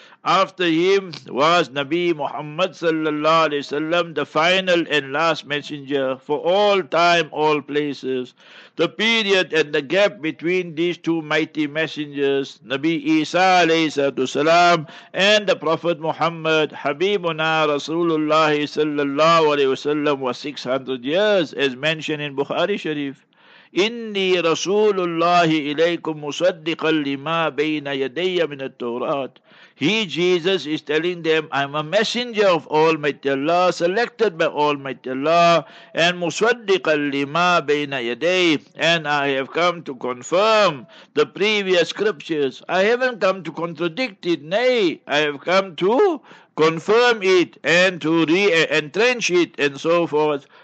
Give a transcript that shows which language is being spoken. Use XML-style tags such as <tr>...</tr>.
<en>After him was Nabi Muhammad sallallahu alayhi wa sallam, the final and last messenger for all time, all places. The period and the gap between these two mighty messengers, Nabi Isa alayhi salatu salam and the Prophet Muhammad, Habibuna Rasulullah sallallahu alayhi wa sallam, was 600 years, as mentioned in Bukhari Sharif.</en> <ar>إني رسول الله إليكم مصدقا لما بين يدي من التوراة.</ar> <en>He, Jesus, is telling them, I'm a messenger of Almighty Allah, selected by Almighty Allah, and</en> <ar>مصدقا لما بين يدي,</ar> <en>and I have come to confirm the previous scriptures. I haven't come to contradict it, nay, I have come to confirm it and to entrench it and so forth.</en>